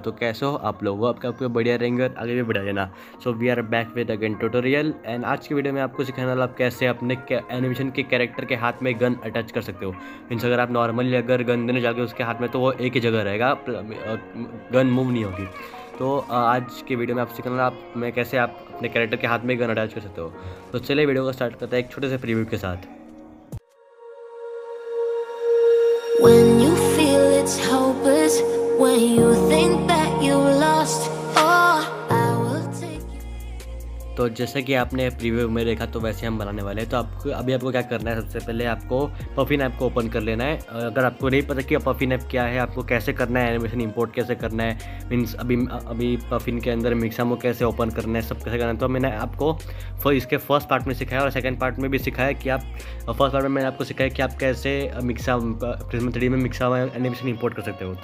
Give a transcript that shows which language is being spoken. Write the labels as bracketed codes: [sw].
[hi] तो कैसे हो आप लोग, आपके आपके बढ़िया रहेंगे, आगे भी बढ़ा देना। [en] so we are back with again tutorial [hi] and आज की वीडियो में आपको सिखाने वाला आप कैसे अपने एनिमेशन के कैरेक्टर के हाथ में गन अटैच कर सकते हो। मीन्स अगर आप नॉर्मली अगर गन देने जाके उसके हाथ में तो वो एक ही जगह रहेगा, गन मूव नहीं होगी। तो आज की वीडियो में आप सिखाना आप मैं कैसे आप अपने कैरेक्टर के हाथ में गन अटैच कर सकते हो। तो चलिए वीडियो को स्टार्ट करते हैं एक छोटे से प्रीव्यू के साथ। [en] When you feel it's hopeless, when you think that you've lost all, I will take you. [hi] तो जैसे कि आपने प्रीव्यू में देखा तो वैसे हम बनाने वाले हैं। तो आपको अभी आपको क्या करना है, सबसे पहले आपको पफिन ऐप को ओपन कर लेना है। अगर आपको नहीं पता कि पफिन ऐप क्या है, आपको कैसे करना है, एनिमेशन इंपोर्ट कैसे करना है, मीन्स अभी पफिन के अंदर मिक्सा मो कैसे ओपन करना है, सब कैसे करना है, तो मैंने आपको इसके फर्स्ट पार्ट में सिखाया और सेकेंड पार्ट में भी सिखाया कि आप फर्स्ट पार्ट में मैंने आपको सिखाया कि आप कैसे मिक्सा प्रिज्म 3D में मिक्सा एनिमेशन इंपोर्ट कर सकते हो।